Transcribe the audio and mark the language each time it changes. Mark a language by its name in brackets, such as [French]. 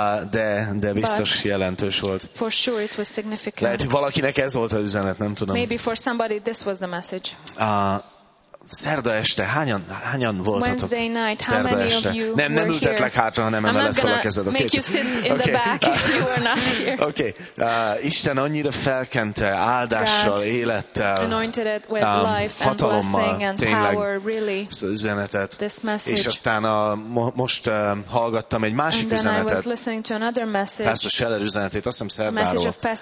[Hungarian] De biztos jelentős volt. [English] For sure it was significant. [Hungarian] Lehet, hogy valakinek ez volt az üzenet, nem tudom. [English] Maybe for somebody this was the message. [Hungarian] Szerda este hányan voltatok? [English] Wednesday night, how many of you? [Hungarian] Nem ültetlek hátra, hanem emeled fel a kezed, oké? [English] Make you sit in the back if you are not here. Oké. [Hungarian] Isten annyira felkente áldással, élettel, hatalommal, tényleg, ezt az üzenetet. És aztán most hallgattam egy másik üzenetet. Pastor Scheller üzenetét, azt hiszem Szerdáról.